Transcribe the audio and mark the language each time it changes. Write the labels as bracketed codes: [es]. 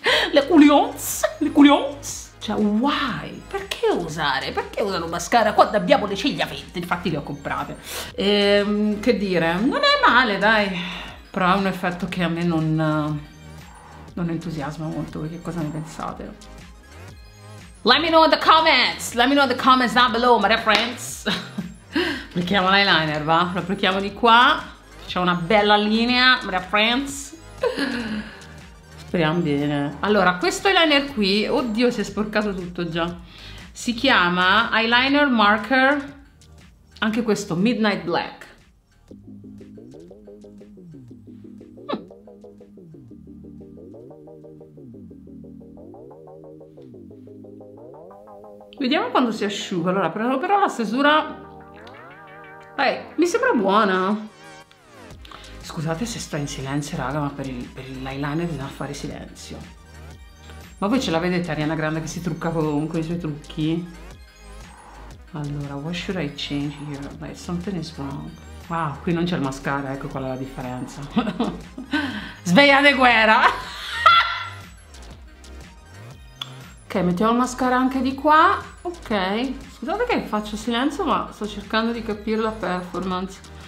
[it] Le culionze. Cioè, [en] why? [it] Perché usare un mascara quando abbiamo le ciglia fette? Infatti le ho comprate. Che dire, non è male, dai. Però è un effetto che a me non entusiasma molto. Che cosa ne pensate? [en] Let me know in the comments down below, my dear friends. [it] Applichiamo l'eyeliner, va? Lo applichiamo di qua. C'è una bella linea, [en] my dear friends. [it] Speriamo bene. Allora, questo eyeliner qui, oddio, si è sporcato tutto già. Si chiama Eyeliner Marker, anche questo, Midnight Black. Vediamo quando si asciuga. Allora, però la stesura, mi sembra buona. Scusate se sto in silenzio, raga, ma per l'eyeliner bisogna fare silenzio. Ma voi ce la vedete Ariana Grande che si trucca con i suoi trucchi? [en] Allora, what should I change here? Like, something is wrong. [it] Wow, qui non c'è il mascara, ecco qual è la differenza. Sveglia de guerra! Ok, mettiamo il mascara anche di qua. Ok, scusate che faccio silenzio, ma sto cercando di capire la performance.